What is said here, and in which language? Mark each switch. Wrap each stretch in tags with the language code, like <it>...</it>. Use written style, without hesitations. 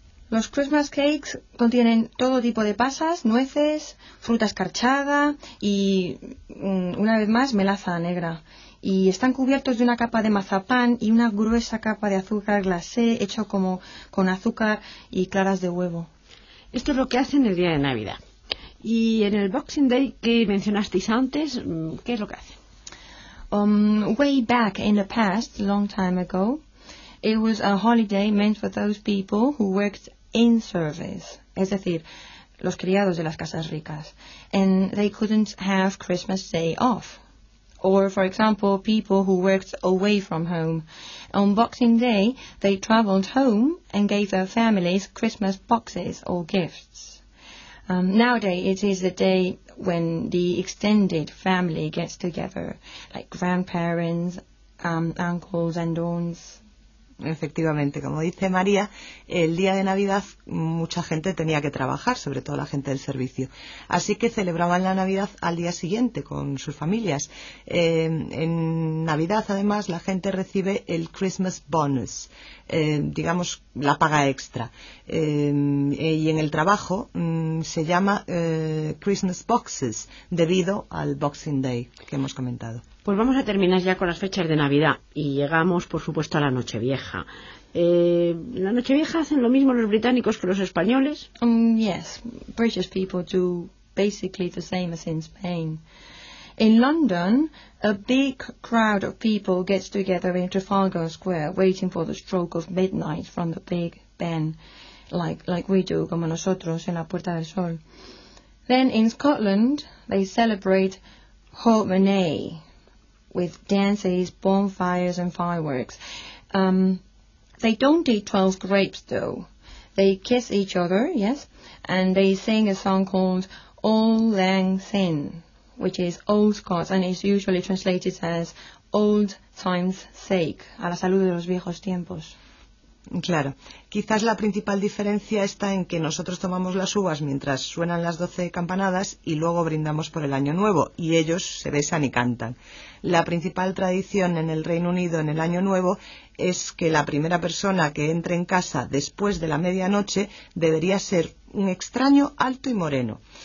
<es>Los Christmas cakes contienen todo tipo de pasas, nueces, fruta escarchada y, una vez más, melaza negra. Y están cubiertos de una capa de mazapán y una gruesa capa de azúcar glacé hecho como con azúcar y claras de huevo. Esto es lo que hacen el día de Navidad. Y en el Boxing Day que mencionasteis antes, ¿qué es lo que hace?</es> <en>Way back in the past, long time ago, it was a holiday meant for those people who worked in service,</en> <es>es decir, los criados de las casas ricas,</es> <en>and they couldn't have Christmas Day off. Or, for example, people who worked away from home. On Boxing Day, they traveled home and gave their families Christmas boxes or gifts. Nowadays, it is the day when the extended family gets together, like grandparents, uncles and aunts.</en> <es>Efectivamente, como dice María, el día de Navidad mucha gente tenía que trabajar, sobre todo la gente del servicio. Así que celebraban la Navidad al día siguiente con sus familias. En Navidad, además, la gente recibe el Christmas bonus, digamos la paga extra. Y en el trabajo se llama Christmas boxes, debido al Boxing Day que hemos comentado. Pues vamos a terminar ya con las fechas de Navidad y llegamos, por supuesto, a la Nochevieja. ¿La Nochevieja hacen lo mismo los británicos que los españoles?</es> <en>Yes, British people do basically the same as in Spain. In London, a big crowd of people gets together in Trafalgar Square waiting for the stroke of midnight from the Big Ben, like we do,</en> <es>como nosotros, en la Puerta del Sol.</es> <en>Then in Scotland, they celebrate Hogmanay with dances, bonfires and fireworks. They don't eat 12 grapes, though. They kiss each other, yes, and they sing a song called Auld Lang Syne, which is Old Scots, and is usually translated as Old Times' Sake,</en> <es>a la salud de los viejos tiempos. Claro. Quizás la principal diferencia está en que nosotros tomamos las uvas mientras suenan las 12 campanadas y luego brindamos por el año nuevo, y ellos se besan y cantan. La principal tradición en el Reino Unido en el año nuevo es que la primera persona que entre en casa después de la medianoche debería ser un extraño alto y moreno.</es>